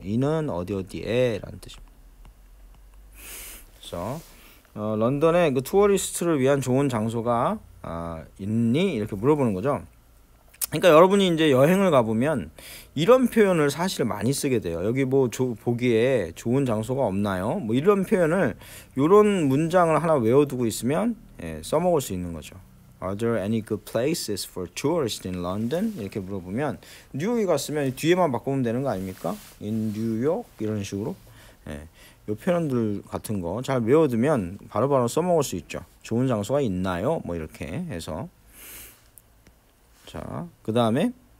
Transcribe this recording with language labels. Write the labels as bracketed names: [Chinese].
[Korean] 이는 어디 어디에 라는 뜻입니다. 그래서 런던에 그 투어리스트를 위한 좋은 장소가 있니? 이렇게 물어보는 거죠. 그러니까 여러분이 이제 여행을 가보면 이런 표현을 사실 많이 쓰게 돼요. 여기 뭐 보기에 좋은 장소가 없나요? 뭐 이런 표현을 이런 문장을 하나 외워두고 있으면 예, 써먹을 수 있는 거죠. [English] Are there any good places for tourists in London? [Korean] 이렇게 물어보면 뉴욕에 갔으면 뒤에만 바꾸면 되는 거 아닙니까? [English] In New York [Korean] 이런 식으로 예, 이 표현들 같은 거 잘 외워두면 바로바로 써먹을 수 있죠. 좋은 장소가 있나요? 뭐 이렇게 해서 자, 그 다음에